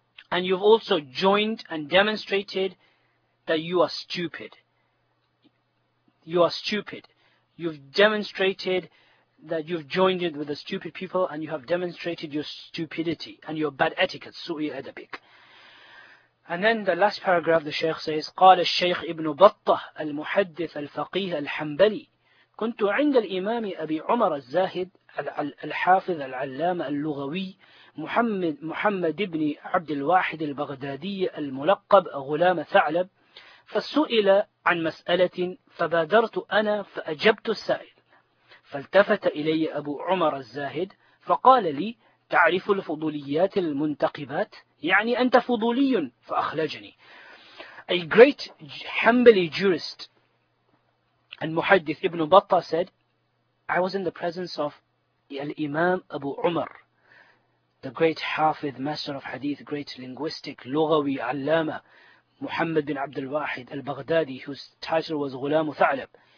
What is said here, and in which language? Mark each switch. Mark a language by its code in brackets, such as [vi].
[en] And you've also joined and demonstrated that you are stupid. You are stupid. You've demonstrated that you've joined it with the stupid people, and you have demonstrated your stupidity and your bad etiquette, su'i adabik. And then the last paragraph, the Shaykh says, [ar] قَالَ الشَّيْخِ إِبْنُ بَطَّهِ الْمُحَدِّثَ الْفَقِيهَ الْحَنْبَلِي كُنْتُ عِنْدَ الْإِمَامِ أَبِي عُمَرَ الزَّاهِدِ الْحَافِظَ الْعَلَّامَ اللُّغَوِي محمد بن عبد الواحد البغدادي الملقب غلام ثعلب فسئل عن مسألة فبادرت أنا فأجبت السائل فالتفت إلي أبو عمر الزاهد فقال لي تعرف الفضوليات المنتقبات يعني أنت فضولي فأخلجني. [en] A great Hanbali jurist and muhaddith Ibn Battah said, I was in the presence of Imam Abu Umar, the great Hafidh, master of hadith, great linguistic, lughawi, allama, Muhammad bin Abdul Wahid al-Baghdadi, whose title was Ghulam Thalib.